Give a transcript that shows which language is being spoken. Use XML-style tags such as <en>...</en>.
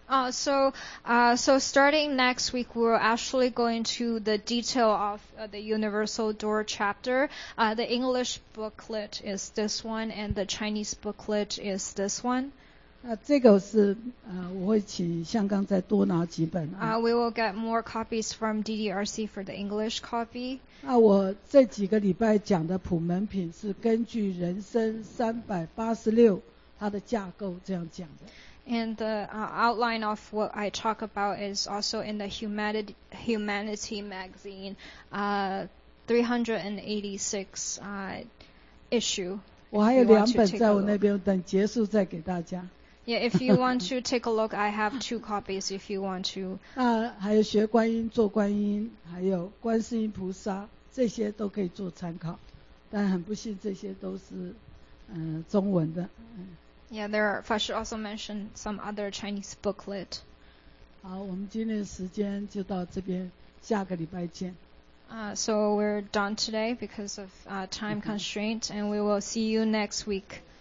<en>So starting next week, we're actually going to the detail of the Universal Door chapter. The English booklet is this one, and the Chinese booklet is this one.</en> <zh>这个是我会请香港再多拿几本。</zh> <en>We will get more copies from DDRC for the English copy.</en> <zh>我这几个礼拜讲的普门品是根据人生386它的架构这样讲的。</zh> <en>And the outline of what I talk about is also in the Humanity magazine, 386 issue.</en> <zh>我还有两本在我那边，等结束再给大家。</zh> <en>Yeah, if you want to take a look, I have two copies if you want to.</en> <zh>那还有学观音、做观音，还有观世音菩萨，这些都可以做参考。但很不幸，这些都是中文的。</zh> <en>Yeah, there are, Fa Shi also mentioned some other Chinese booklet.</en> <zh>好，我们今天的时间就到这边，下个礼拜见。</zh> <en>So we're done today because of time constraint, and we will see you next week.</en>